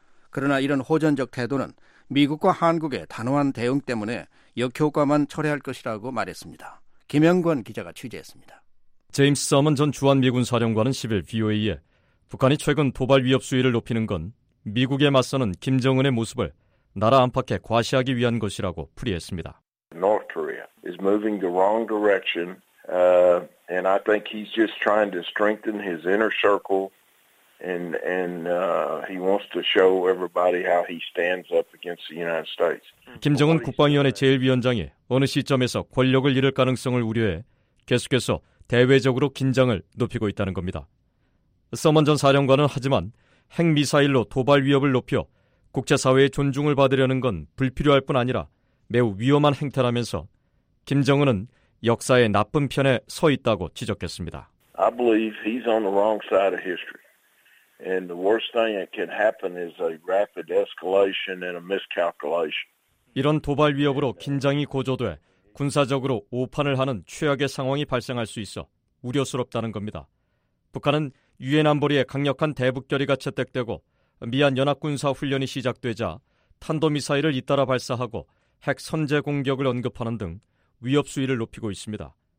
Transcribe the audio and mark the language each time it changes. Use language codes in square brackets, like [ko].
[ko] 그러나 이런 호전적 태도는 미국과 한국의 단호한 대응 때문에 역효과만 초래할 것이라고 말했습니다. 김영권 기자가 취재했습니다. 제임스 서먼 전 주한미군 사령관은 10일 VOA에 북한이 최근 도발 위협 수위를 높이는 건 미국에 맞서는 김정은의 모습을 나라 안팎에 과시하기 위한 것이라고 풀이했습니다. [en] North Korea is moving the wrong direction. And I think he's just trying to strengthen his inner circle and he wants to show everybody how he stands up against the United States. [ko] 김정은 국방위원회 제1위원장이 어느 시점에서 권력을 잃을 가능성을 우려해 계속해서 대외적으로 긴장을 높이고 있다는 겁니다. 서먼 전 사령관은 하지만 핵미사일로 도발 위협을 높여 국제사회의 존중을 받으려는 건 불필요할 뿐 아니라 매우 위험한 행태라면서 김정은은 역사의 나쁜 편에 서 있다고 지적했습니다. [en] I believe he's on the wrong side of history. And the worst thing that can happen is a rapid escalation and a miscalculation. [ko] 이런 도발 위협으로 긴장이 고조돼 군사적으로 오판을 하는 최악의 상황이 발생할 수 있어 우려스럽다는 겁니다. 북한은 유엔 안보리의 강력한 대북결의가 채택되고 미한 연합군사 훈련이 시작되자 탄도미사일을 잇따라 발사하고 핵 선제 공격을 언급하는 등 위협 수위를 높이고 있습니다.